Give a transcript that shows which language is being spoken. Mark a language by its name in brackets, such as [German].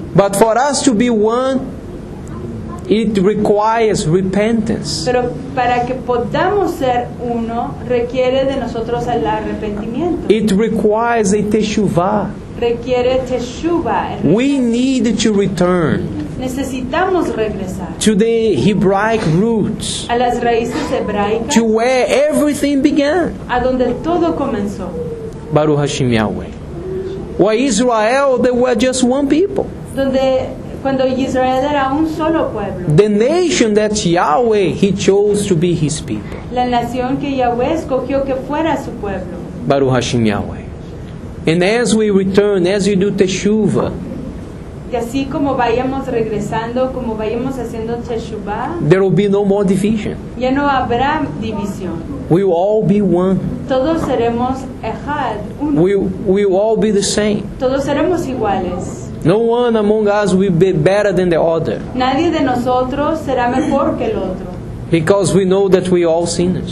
[English] But for us to be one, it requires repentance. [Spanish] Pero para que podamos ser uno, requiere de nosotros el arrepentimiento. [English] It requires a teshuvah. [Spanish] Requiere teshuvah. [English] We need to return. [Spanish] Necesitamos regresar. [English] To the Hebraic roots. [Spanish] A las raíces hebraicas. [English] To where everything began. [Spanish] A donde todo comenzó. [Hebrew] Baruch Hashem Yahweh. [English] Where Israel, they were just one people. [Spanish] Donde cuando Israel era un solo pueblo. [English] The nation that Yahweh, he chose to be his people. [Spanish] La nación que Yahweh escogió que fuera su pueblo. [Hebrew] Baruch Hashem Yahweh. [English] And as we return, as we do teshuva. [Spanish] Y así como vayamos regresando, como vayamos haciendo teshuva. [English] There will be no more division. [Spanish] Ya no habrá división. [English] We will all be one. [Spanish] Todos seremos ejad, uno. [English] We will all be the same. [Spanish] Todos seremos iguales. [English] No one among us will be better than the other. [Spanish] Nadie de nosotros será mejor que el otro. [English] Because we know that we are all sinners.